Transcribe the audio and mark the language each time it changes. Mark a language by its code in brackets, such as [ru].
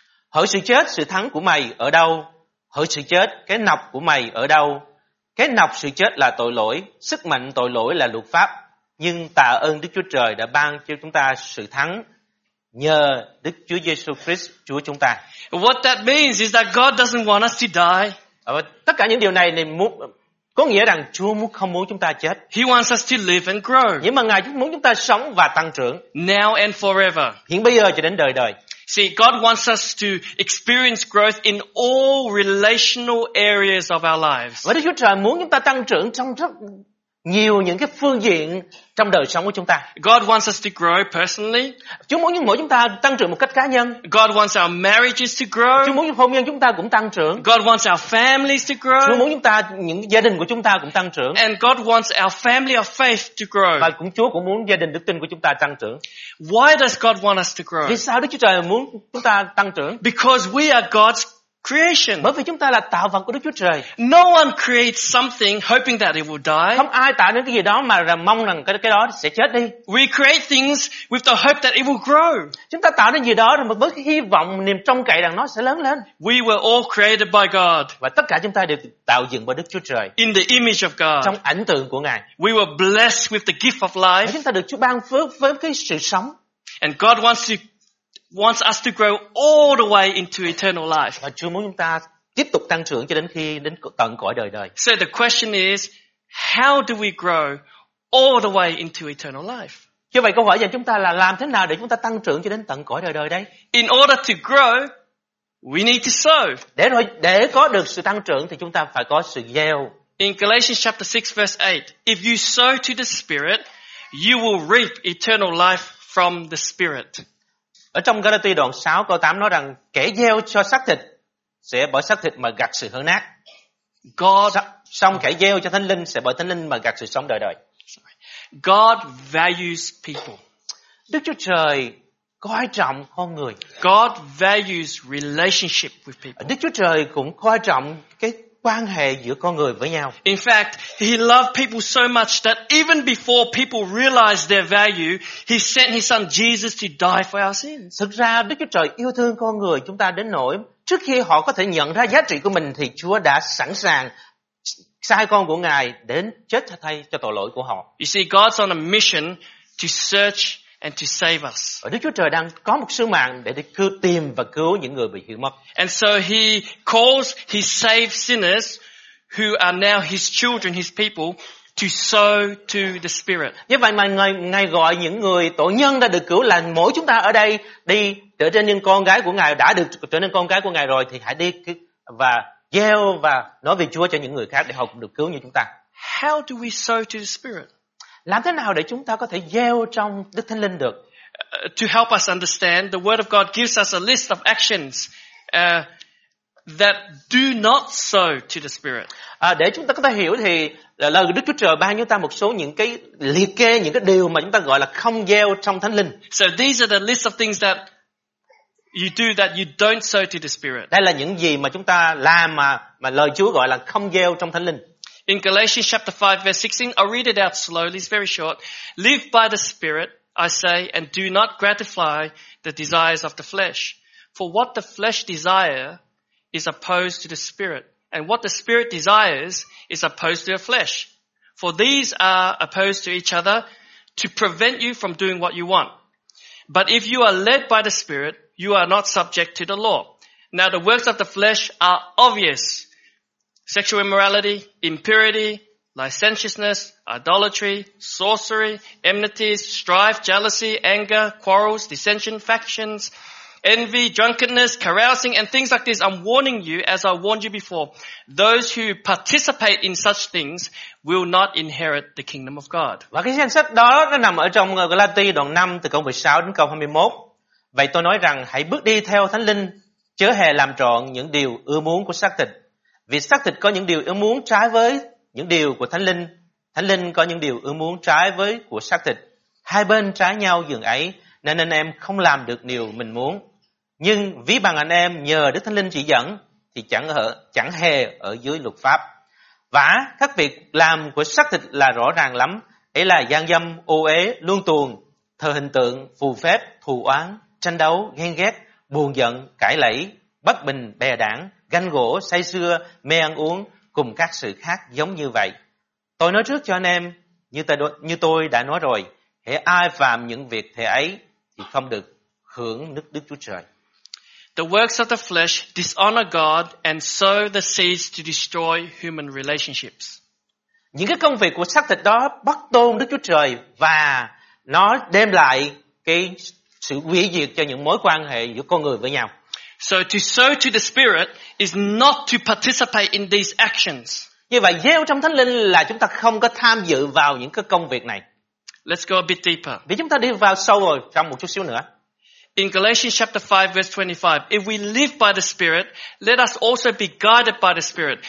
[vi] Hỡi sự chết, sự thắng của mày ở đâu? Hỡi sự chết, cái nọc của mày ở đâu? Cái nọc sự chết là tội lỗi, sức mạnh tội lỗi là luật pháp. Nhưng tạ ơn Đức Chúa Trời đã ban cho chúng ta sự thắng nhờ Đức Chúa Giêsu Christ, Chúa chúng ta. [en] What that means is that God doesn't want us to die. [vi] Tất cả những điều này có nghĩa rằng Chúa muốn không muốn chúng ta chết. [en] He wants us to live and grow. [vi] Nhưng mà Ngài muốn chúng ta sống và tăng trưởng. [en] Now and forever. [vi] Hiện bây giờ cho đến đời đời. [en] See, God wants us to experience growth in all relational areas of our lives. [vi] Và Đức Chúa Trời muốn chúng ta tăng trưởng trong rất nhiều những cái phương diện trong đời sống của chúng ta. [en] God wants us to grow personally. [vi] Chúa muốn mỗi chúng ta tăng trưởng một cách cá nhân. [en] God wants our marriages to grow. [vi] Chúa muốn hôn nhân chúng ta cũng tăng trưởng. [en] God wants our families to grow. [vi] Chúa muốn những gia đình của chúng ta cũng tăng trưởng. [en] And God wants our family of faith to grow. [vi] Và Chúa cũng muốn gia đình đức tin của chúng ta tăng trưởng. [en] Why does God want us to grow? [vi] Vì sao Đức Chúa Trời muốn chúng ta tăng trưởng? [en] Because we are God's creation. [vi] Bởi vì chúng ta là tạo vật của Đức Chúa Trời. [en] No one creates something hoping that it will die. [vi] Không ai tạo nên cái gì đó mà mong rằng cái đó sẽ chết đi. [en] We create things with the hope that it will grow. [vi] Chúng ta tạo nên gì đó với hy vọng, niềm trông cậy rằng nó sẽ lớn lên. [en] We were all created by God. [vi] Và tất cả chúng ta đều tạo dựng bởi Đức Chúa Trời. [en] In the image of God. [vi] Trong ảnh tượng của Ngài. [en] We were blessed with the gift of life. [vi] Và chúng ta được Chúa ban phước với cái sự sống. [en] And God wants us to grow all the way into eternal life. [vi] Và Chúa muốn chúng ta tiếp tục tăng trưởng cho đến khi đến tận cõi đời đời. [en] So the question is, how do we grow all the way into eternal life? [vi] Như vậy câu hỏi dành chúng ta là làm thế nào để chúng ta tăng trưởng cho đến tận cõi đời đời đây? [en] In order to grow, We need to sow. [vi] Để có được sự tăng trưởng thì chúng ta phải có sự gieo. [en] In Galatians chapter 6 verse 8, if you sow to the Spirit, you will reap eternal life from the Spirit. [vi] Ở trong Galatia đoạn 6 câu 8 nói rằng kẻ gieo cho xác thịt sẽ bởi xác thịt mà gặt sự hư nát. [en] God [vi] song kẻ gieo cho Thánh Linh sẽ bởi Thánh Linh mà gặt sự sống đời đời. [en] God values people. [vi] Đức Chúa Trời coi trọng con người. [en] God values relationship with people. [vi] Đức Chúa Trời cũng coi trọng cái quan hệ giữa con người với nhau. [en] In fact, he loved people so much that even before people realized their value, he sent his son Jesus to die for our sins. [vi] Thực ra Đức Chúa Trời yêu thương con người chúng ta đến nỗi trước khi họ có thể nhận ra giá trị của mình thì Chúa đã sẵn sàng sai con của Ngài đến chết thay cho tội lỗi của họ. [en] You see, God's on a mission to search and to save us. [vi] Đức Chúa Trời đang có một sứ mạng để cứu tìm và cứu những người bị hư mất. [en] And so he calls his saved sinners who are now his children, his people to sow to the Spirit. [vi] Như vậy mà Ngài gọi những người tội nhân đã được cứu là mỗi chúng ta ở đây đi trở nên những con gái của Ngài, đã được trở nên con gái của Ngài rồi thì hãy đi và gieo và nói về Chúa cho những người khác để họ cũng được cứu như chúng ta. [en] How do we sow to the Spirit? [vi] Làm thế nào để chúng ta có thể gieo trong Đức Thánh Linh được? [en] To help us understand, the Word of God gives us a list of actions that do not sow to the Spirit. [vi] Để chúng ta có thể hiểu thì lời Đức Chúa Trời ban cho chúng ta một số những cái liệt kê, những cái điều mà chúng ta gọi là không gieo trong Thánh Linh. [en] So these are the list of things that you do that you don't sow to the Spirit. [vi] Đây là những gì mà chúng ta làm mà lời Chúa gọi là không gieo trong Thánh Linh. [en] In Galatians chapter 5 verse 16, I'll read it out slowly, it's very short. Live by the Spirit, I say, and do not gratify the desires of the flesh. For what the flesh desires is opposed to the Spirit, and what the Spirit desires is opposed to the flesh. For these are opposed to each other to prevent you from doing what you want. But if you are led by the Spirit, you are not subject to the law. Now the works of the flesh are obvious. Sexual immorality, impurity, licentiousness, idolatry, sorcery, enmities, strife, jealousy, anger, quarrels, dissension, factions, envy, drunkenness, carousing, and things like this. I'm warning you, as I warned you before, those who participate in such things will not inherit the kingdom of God. [vi] Và cái danh sách đó nó nằm ở trong Galati đoạn 5 từ câu 16 đến câu 21. Vậy tôi nói rằng hãy bước đi theo Thánh Linh, chớ hề làm trọn những điều ưa muốn của xác thịt. Vì xác thịt có những điều ưa muốn trái với những điều của Thánh Linh. Thánh Linh có những điều ưa muốn trái với của xác thịt. Hai bên trái nhau dường ấy, nên anh em không làm được điều mình muốn. Nhưng ví bằng anh em nhờ Đức Thánh Linh chỉ dẫn, thì chẳng hề ở dưới luật pháp. Vả, các việc làm của xác thịt là rõ ràng lắm. Ấy là gian dâm, ô uế, luân tuồng, thờ hình tượng, phù phép, thù oán, tranh đấu, ghen ghét, buồn giận, cãi lẫy, bất bình, bè đảng, ganh gỗ, say sưa, mê ăn uống cùng các sự khác giống như vậy. Tôi nói trước cho anh em, như tôi đã nói rồi, hễ ai phạm những việc thế ấy thì không được hưởng nước Đức Chúa Trời. [en] The works of the flesh dishonor God and sow the seeds to destroy human relationships. [vi] Những cái công việc của xác thịt đó bất tôn Đức Chúa Trời và nó đem lại cái sự hủy diệt cho những mối quan hệ giữa con người với nhau. [en] So to sow to the Spirit is not to participate in these actions. [vi] Như vậy gieo trong Thánh Linh là chúng ta không có tham dự vào những cái công việc này. [en] Let's go a bit deeper. [vi] Để chúng ta đi vào sâu rồi trong một chút xíu nữa. [en] In Galatians chapter 5 verse 25, if we live by the Spirit, let us also be guided by the Spirit.